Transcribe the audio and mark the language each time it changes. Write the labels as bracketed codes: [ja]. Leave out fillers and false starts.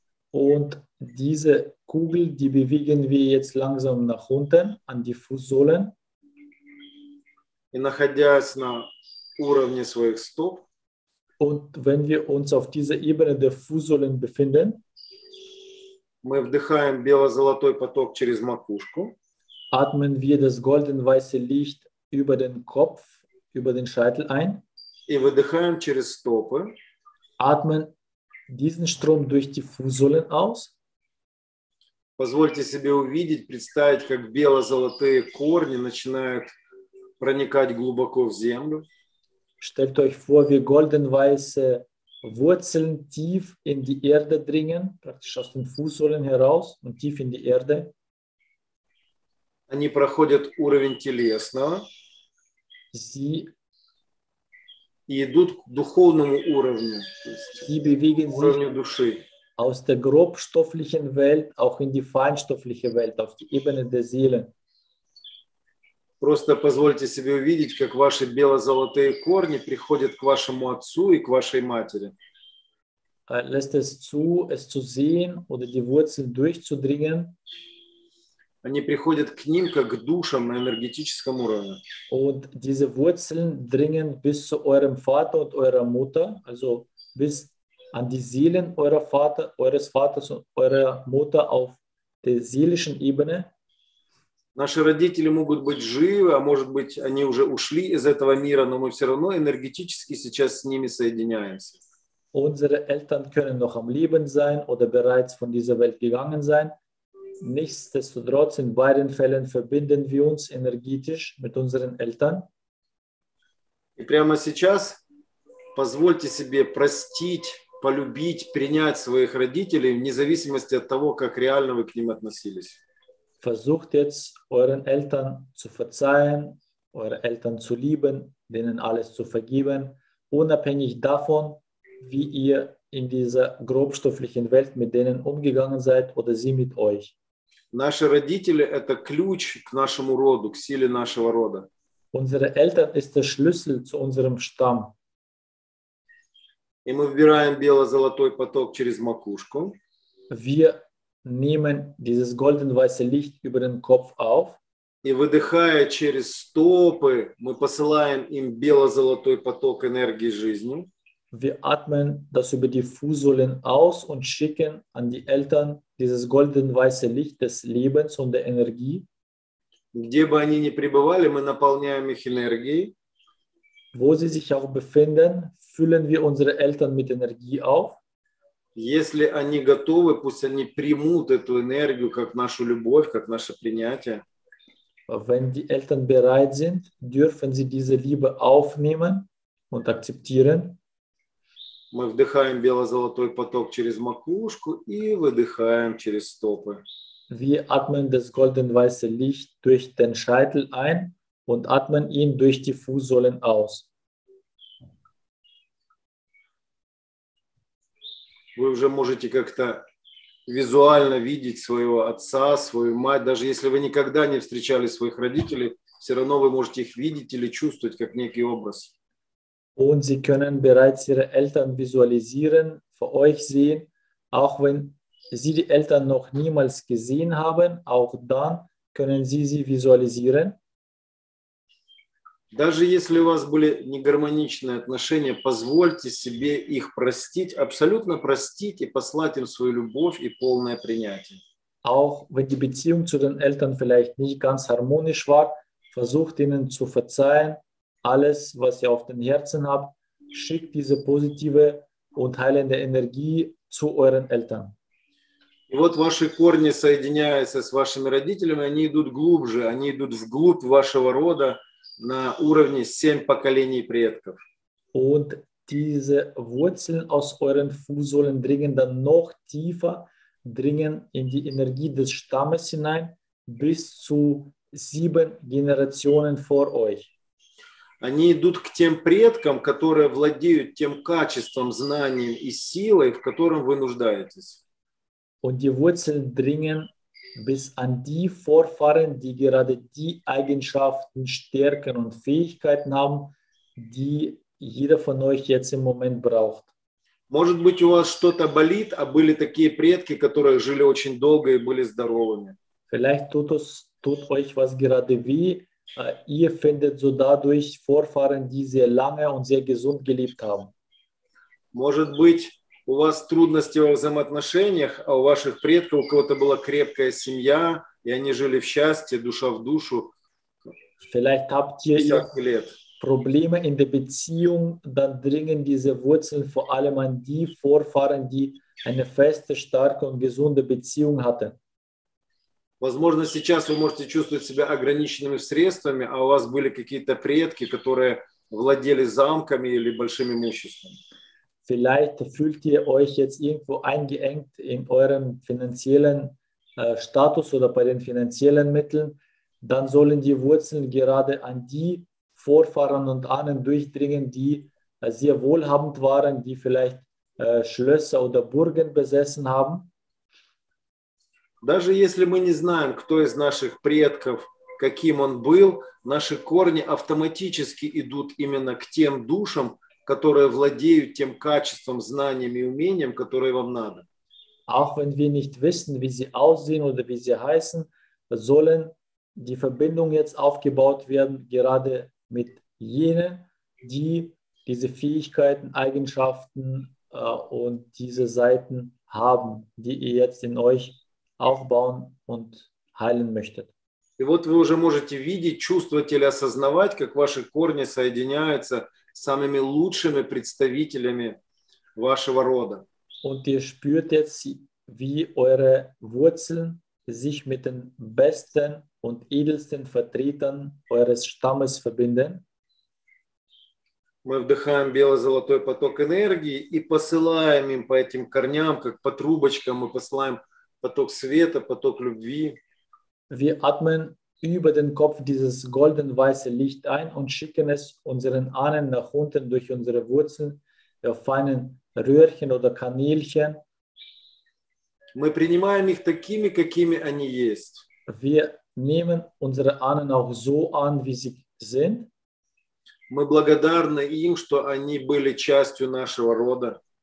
[de] Und diese Kugel, die bewegen wir jetzt langsam nach unten an die Fußsohlen. [ru] И находясь на уровне своих стоп, [de] und wenn wir uns auf dieser Ebene der Fußsohlen befinden, [ru] мы вдыхаем бело-золотой поток через макушку, [de] atmen wir das golden-weiße Licht über den Kopf, über den Scheitel ein. [ru] И выдыхаем через стопы. [de] Atmen diesen Strom durch die Fußsohlen aus. [ru] Позвольте себе увидеть, представить, как бело-золотые корни начинают проникать глубоко в землю. [de] Stellt euch vor, wie golden-weiße Wurzeln tief in die Erde dringen, praktisch aus den Fußsohlen heraus und tief in die Erde. [ru] Они проходят уровень телесного. [de] Sie [ru] и идут к духовному уровню, то есть к уровню души. [de] Aus der grobstofflichen Welt auch in die feinstoffliche Welt, auf die Ebene der Seele. [ru] Просто позвольте себе увидеть, как ваши бело-золотые корни приходят к вашему отцу и к вашей матери. [de] Lässt es zu, es zu sehen oder die Wurzeln durchzudringen. [ru] Они приходят к ним как к душам на энергетическом уровне. [de] Und diese Wurzeln dringen bis zu eurem Vater und eurer Mutter, also bis an die Seelen eurer Vater, eures Vaters und eurer Mutter auf der seelischen Ebene. [ru] Наши родители могут быть живы, а может быть, они уже ушли из этого мира, но мы все равно энергетически сейчас с ними соединяемся. [de] Unsere Eltern können noch am Leben sein oder bereits von dieser Welt gegangen sein. Nichtsdestotrotz, in beiden Fällen verbinden wir uns energetisch mit unseren Eltern. [ru] И прямо сейчас позвольте себе простить, полюбить, принять своих родителей, вне зависимости от того, как реально вы к ним относились. [de] Versucht jetzt euren Eltern zu verzeihen, eure Eltern zu lieben, denen alles zu vergeben, unabhängig davon, wie ihr in dieser grobstofflichen Welt mit denen umgegangen seid oder sie mit euch. [ru] Наши родители – это ключ к нашему роду, к силе нашего рода. [de] Unsere Eltern ist der Schlüssel zu unserem Stamm. [ru] И мы выбираем бело-золотой поток через макушку. [de] Wir nehmen dieses golden-weiße Licht über den Kopf auf. [ru] И выдыхая через стопы, мы посылаем им бело-золотой поток энергии жизни. [de] Wir atmen das über die Fußsohlen aus und schicken an die Eltern dieses golden-weiße Licht des Lebens und der Energie. [ru] Где бы они ни пребывали, мы наполняем их энергией. [de] Wo sie sich auch befinden, füllen wir unsere Eltern mit Energie auf. [ru] Если они готовы, пусть они примут эту энергию как нашу любовь, как наше принятие. [de] Wenn die Eltern bereit sind, dürfen sie diese Liebe aufnehmen und akzeptieren. [ru] Мы вдыхаем бело-золотой поток через макушку и выдыхаем через стопы. [de] Wir atmen das golden-weiße Licht durch den Scheitel ein und atmen ihn durch die Fußsohlen aus. [ru] Вы уже можете как-то визуально видеть своего отца, свою мать, даже если вы никогда не встречали своих родителей, все равно вы можете их видеть или чувствовать как некий образ. [de] Und sie können bereits ihre Eltern visualisieren, vor euch sehen, auch wenn sie die Eltern noch niemals gesehen haben, auch dann können sie sie visualisieren. [ru] Даже если у вас были негармоничные отношения, позвольте себе их простить, абсолютно простить и послать им свою любовь и полное принятие. [de] Auch wenn die Beziehung zu den Eltern vielleicht nicht ganz harmonisch war, versucht ihnen zu verzeihen. Alles, was ihr auf dem Herzen habt, schickt diese positive und heilende Energie zu euren Eltern. [ru] И вот ваши корни соединяются с вашими родителями, они идут глубже, они идут вглубь вашего рода на уровне 7 поколений предков. [de] Und diese Wurzeln aus euren Fußsohlen dringen dann noch tiefer, dringen in die Energie des Stammes hinein, bis zu 7 Generationen vor euch. [ru] Они идут к тем предкам, которые владеют тем качеством, знанием и силой, в котором вы нуждаетесь. [de] Und die Wurzeln dringen bis an die Vorfahren, die gerade die Eigenschaften, Stärken und Fähigkeiten haben, die jeder von euch jetzt im Moment braucht. [ru] Может быть, у вас что-то болит, а были такие предки, которые жили очень долго и были здоровыми. [de] Vielleicht tut euch was gerade weh, ihr findet so dadurch Vorfahren, die sehr lange und sehr gesund gelebt haben. [ru] Может быть, у вас трудности во взаимоотношениях, а у ваших предков у кого-то была крепкая семья, и они жили в счастье, душа в душу. [de] Vielleicht habt ihr Probleme in der Beziehung, dann dringen diese Wurzeln vor allem an die Vorfahren, die eine feste, starke und gesunde Beziehung hatten. [ru] Возможно, сейчас вы можете чувствовать себя ограниченными средствами, а у вас были какие-то предки, которые владели замками или большим имуществом. [de] Vielleicht fühlt ihr euch jetzt irgendwo eingeengt in eurem finanziellen Status oder bei den finanziellen Mitteln, dann sollen die Wurzeln gerade an die Vorfahren und Ahnen durchdringen, die sehr wohlhabend waren, die vielleicht Schlösser oder Burgen besessen haben. [ru] Даже если мы не знаем, кто из наших предков, каким он был, наши корни автоматически идут именно к тем душам, которые владеют тем качеством, знанием и умением, которое вам надо. [de] Auch wenn wir nicht wissen, wie sie aussehen oder wie sie heißen, sollen die Verbindungen jetzt aufgebaut werden, gerade mit jenen, die diese Fähigkeiten, Eigenschaften und diese Seiten haben, die ihr jetzt in euch aufbauen und heilen möchtet. [ru] И вот вы уже можете видеть, чувствовать или осознавать, как ваши корни соединяются с самыми лучшими представителями вашего рода. [de] Und ihr spürt jetzt, wie eure Wurzeln sich mit den besten und edelsten Vertretern eures Stammes verbinden. [ru] Мы вдыхаем бело-золотой поток энергии и посылаем им по этим корням, как по трубочкам, мы посылаем поток света, поток любви. [de] Wir atmen über den Kopf dieses golden-weiße Licht ein und schicken es unseren Ahnen nach unten durch unsere Wurzeln auf feinen Röhrchen oder Kanälchen. [ru] Мы принимаем их такими, какими они есть. [de] Wir nehmen unsere Ahnen auch so an, wie sie sind. [ru] Мы благодарны им, что они были частью нашего рода.